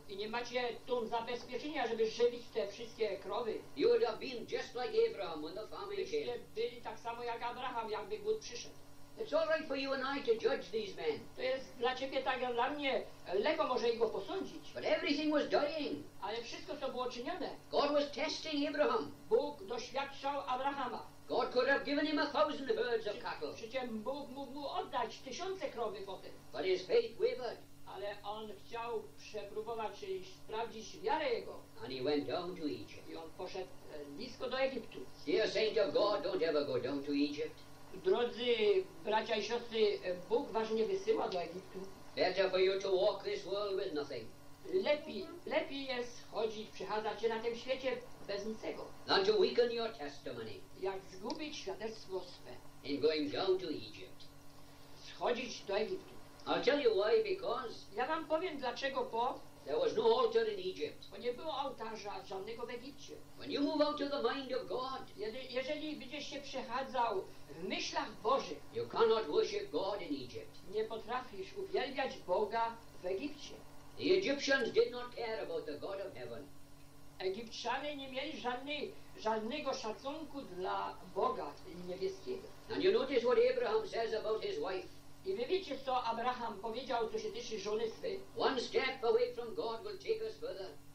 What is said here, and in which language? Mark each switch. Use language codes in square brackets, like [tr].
[pl] i nie macie tu zabezpieczenia, żeby żywić te wszystkie krowy, [en] you would have been just like Abraham when the famine came. [pl] Byście byli tak samo jak Abraham, jakby głód przyszedł. [en] It's all right for you and I to judge these men. [pl] To jest dla ciebie tak, jak dla mnie, lekko może ich go posądzić. [en] But everything was dying. [pl] Ale wszystko, co było czynione. [en] God was testing Abraham. [pl] Bóg doświadczał Abrahama. [en] God could have given him 1,000 herds of cattle. [pl] Przecież Bóg mógł mu oddać 1,000 krowy potem. [en] But his faith wavered. [pl] Ale on chciał przepróbować, czyli sprawdzić wiarę jego. [en] And he went down to Egypt. [pl] I on poszedł blisko do Egiptu. [en] Dear saint of God, don't ever go down to Egypt. [pl] Drodzy bracia i siostry, Bóg was nie wysyła do Egiptu. [en] Better for you to walk this world with nothing. [pl] Lepiej jest chodzić, przechadzać się na tym świecie bez niczego. [en] Than to weaken your testimony. [pl] Jak zgubić świadectwo swe. [en] In going down to Egypt. [pl] Schodzić do Egiptu. [en] I'll tell you why, because. [pl] Ja wam powiem dlaczego, bo. [en] There was no altar in Egypt. [pl] Bo nie było ołtarza żadnego w Egipcie. [en] When you move out to the mind of God. [pl] Jeżeli będziesz się przechadzał w myślach Bożych. [en] You cannot worship God in Egypt. [pl] Nie potrafisz uwielbiać Boga w Egipcie. [en] The Egyptians did not care about the God of heaven. [pl] Egipcjanie nie mieli żadnego szacunku dla Boga niebieskiego. [en] And you notice what Abraham says about his wife. [pl] I wy wiecie, co Abraham powiedział, co się tyczy żony swej. [en] One step away from God will take us further.